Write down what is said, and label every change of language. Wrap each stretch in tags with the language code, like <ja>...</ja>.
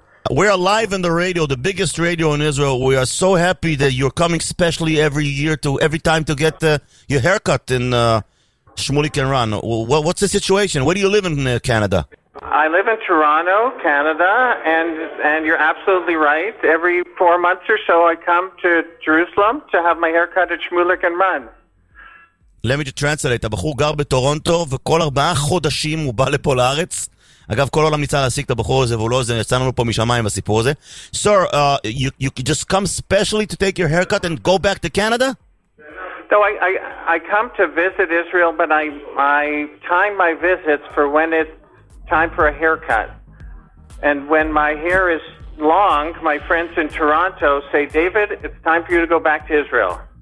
<en>We are live in the radio, the biggest radio in Israel. We are so happy that you're coming specially every year to every time to get your haircut in Shmulik and Ran. Well, what's the situation? Where do you live in Canada? I live in Toronto, Canada, and you're absolutely right. Every 4 months or so, I come to Jerusalem to have my hair cut at Shmulik and Ran. Let me just translate.</en> <he>הבחור גר בטורונטו, וכל 4 חודשים הוא בא לפה לארץ. אגב, כל העולם ניצא להשיג את הבחור הזה, והוא לא זה, יצאנו לו פה משמיים הסיפור הזה.</he> <en>Sir, you could just come specially to take your haircut and go back to Canada? So I come to visit Israel, but I time my visits for when it's time for a haircut. And when my hair is long, my friends in Toronto say, David, it's time for you to go back to Israel.</en>